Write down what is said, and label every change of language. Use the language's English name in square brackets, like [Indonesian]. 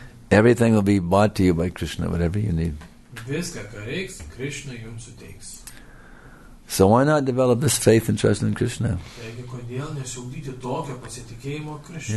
[English] Everything will be brought to you by Krishna, whatever you need. [Lithuanian] Viską, ką reiks, Krishna jums suteiks. [English] So why not develop this faith and trust in Krishna? [Lithuanian] Taigi, kodėl nesiugdyti tokio pasitikėjimo Krishna?